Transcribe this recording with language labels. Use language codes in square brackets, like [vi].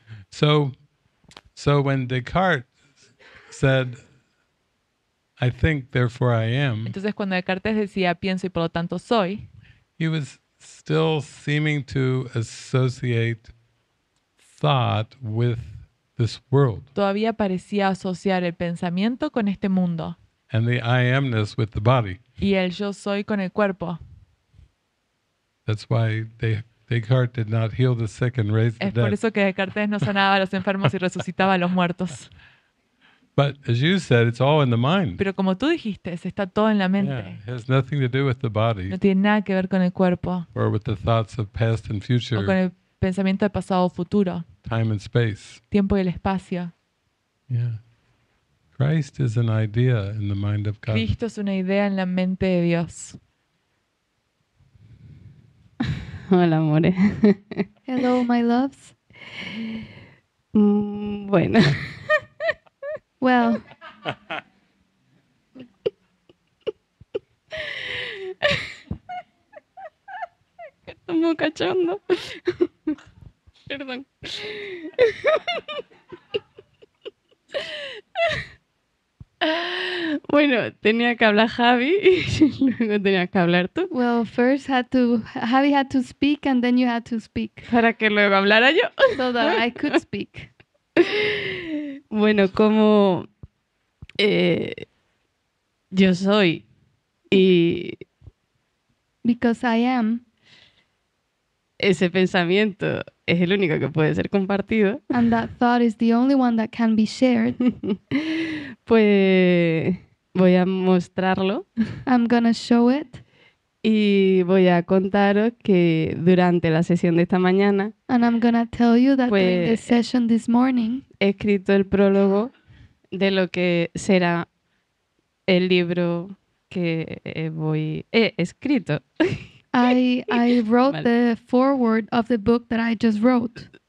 [en] So when Descartes said, I think, therefore I am. [es] Entonces cuando Descartes decía pienso y por lo tanto soy, [en] he was still seeming to associate thought with this world. [es] Todavía parecía asociar el pensamiento con este mundo. [en] And the I am-ness with the body. [es] Y el yo soy con el cuerpo. [en] That's why Descartes did not heal the sick and raise the dead. [es] Es por eso que Descartes no sanaba a los enfermos y resucitaba a los muertos. [en] But as you said, it's all in the mind. [es] Pero como tú dijiste, está todo en la mente. [en] Yeah, it has nothing to do with the body. [es] No tiene nada que ver con el cuerpo. [en] Or with the thoughts of past and future. [es] O con el pensamiento de pasado o futuro. [en] Time and space. [es] Tiempo y el espacio. [en] Yeah. Christ is an idea in the mind of God. [es] Cristo es una idea en la mente de Dios. Hola, amores. [en] Hello, my loves. [es] Bueno. [en] Well, [es] estoy muy cachondo. Perdón. Bueno, tenía que hablar Javi y luego tenías que hablar tú. [en] Well, first Javi had to speak and then you had to speak. [es] Para que luego hablara yo. [en] So that I could speak. [es] Bueno, como yo soy y [en] because I am, [es] ese pensamiento es el único que puede ser compartido. [en] And that thought is the only one that can be shared. [es] Pues voy a mostrarlo. [en] I'm gonna show it. [es] Y voy a contaros que durante la sesión de esta mañana, [en] and I'm gonna tell you that [es] pues, [en] during the session this morning, [es] he escrito el prólogo de lo que será el libro que he escrito. [en] I wrote the foreword of the book that I just wrote.